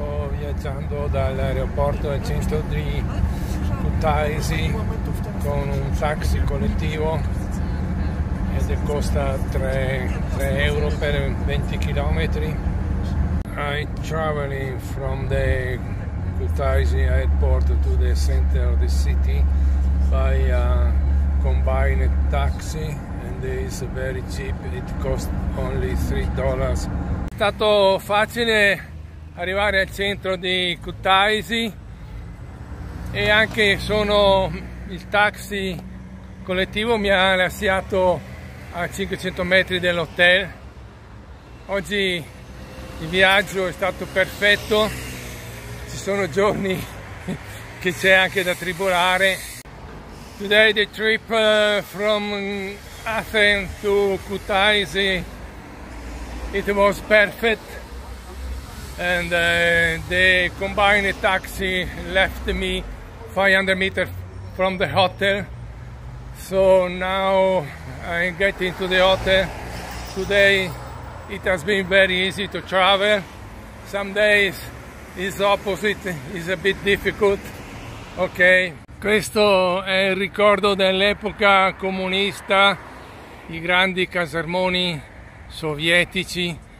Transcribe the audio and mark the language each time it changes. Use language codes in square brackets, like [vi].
[it] viaggiando dall'aeroporto al centro di Kutaisi con un taxi collettivo ed costa 3 euro per 20 km. [en] I traveling from the Kutaisi airport to the center of the city by a combined taxi and it's very cheap, it cost only $3. [it] È stato facile arrivare al centro di Kutaisi e anche il taxi collettivo mi ha lasciato a 500 metri dell'hotel. Oggi il viaggio è stato perfetto, ci sono giorni che c'è anche da tribolare. [en] Today the trip from Athens to Kutaisi, it was perfect. And the combined taxi left me 500 meters from the hotel. So now I'm getting to the hotel. Today it has been very easy to travel. Some days it's opposite, it's a bit difficult. Okay. [it] Questo è il ricordo dell'epoca comunista, i grandi casermoni sovietici.